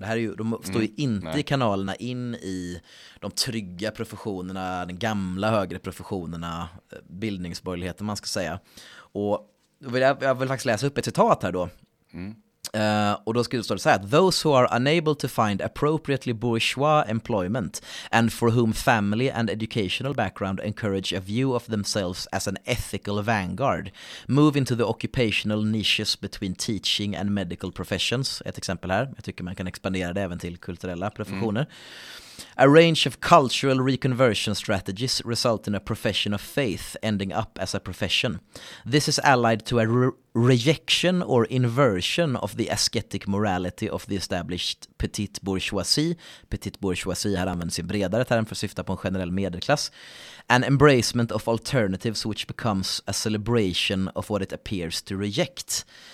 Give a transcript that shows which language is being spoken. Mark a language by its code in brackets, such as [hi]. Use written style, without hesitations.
[sv] Det här är ju, de står ju inte i kanalerna in i de trygga professionerna, den gamla högre professionerna, bildningsborgerligheten man ska säga. Och jag vill faktiskt läsa upp ett citat här då. Och då skulle det stå så här: [en] those who are unable to find appropriately bourgeois employment and for whom family and educational background encourage a view of themselves as an ethical vanguard move into the occupational niches between teaching and medical professions. [sv] Ett exempel här, jag tycker man kan expandera det även till kulturella professioner. [en] A range of cultural reconversion strategies result in a profession of faith ending up as a profession. This is allied to a rejection or inversion of the ascetic morality of the established petite bourgeoisie. [sv] Petite bourgeoisie här används i bredare term för att syfta på en generell medelklass. [en] An embracement of alternatives which becomes a celebration of what it appears to reject.